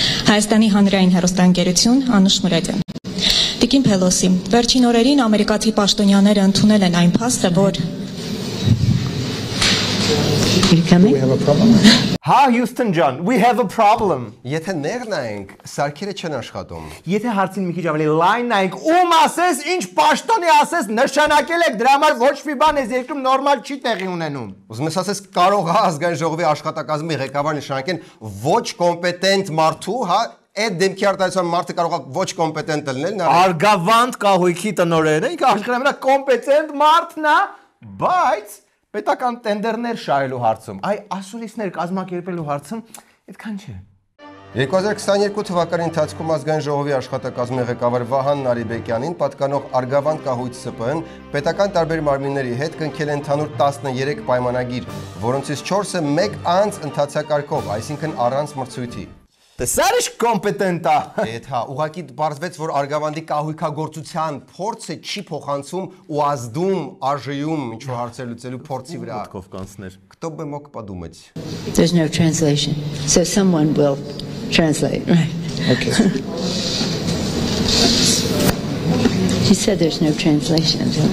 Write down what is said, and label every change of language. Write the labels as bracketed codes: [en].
[hy] Հայաստանի Հանրային Հեռուստաընկերություն, Անուշ Մուրադյան։ Տիկին Փելոսի, վերջին օրերին ամերիկացի պաշտոնյաները ընդունել են այն փաստը, որ [en] Ha Houston John, we have a problem. [hy] Եթե ներնայինք, սարքերը չեն աշխատում։ Եթե հարցին մի քիչ ավելի [en] line [hy] նայինք, ում ասես, ինչ պաշտոնի ասես, նշանակել եք, դրա համար ոչ մի բան այս երկրում նորմալ չի տեղի ունենում։ Ուզում ես ասես, կարող է ազգային ժողովի աշխատակազմի ղեկավար նշանակեն ոչ կոմպետենտ մարդու, հա, այդ դեմքի արտահայտության մարդը կարող է ոչ կոմպետենտ լինել, նա արգավանդ կահույքի տնօրեն է, ինքը աշխարհի մեջ կոմպետենտ մարդն է, բայց պետական տենդերներ շահելու հարցում, այ ասուլիսներ կազմակերպելու հարցում, այդքան չէ։ 2022 թվականի ընթացքում ազգային ժողովի աշխատակազմի ղեկավար Վահան Նարիբեկյանին պատկանող արգավանդ կահույք ՍՊ-ն պետական տարբեր մարմինների հետ կնքել ընդհանուր 13 պայմանագիր, որոնցից 4-ը 1 անց ընթացակարգով, այսինքն առանց մրցույթի։ Տեսար ես կոմպետենտ է։ Այդ հա, ուղղակի բարձվեց, որ արգավանդի կահույքագործության փորձը չի փոխանցում ու ազդում ԱԺՅ-ում ինչ-որ հարցեր լուծելու փորձի վրա։ Ուտկով կանցներ։ [ru] Кто бы мог подумать? [en] There's no translation. So someone will translate, right? Okay. She said there's no translation.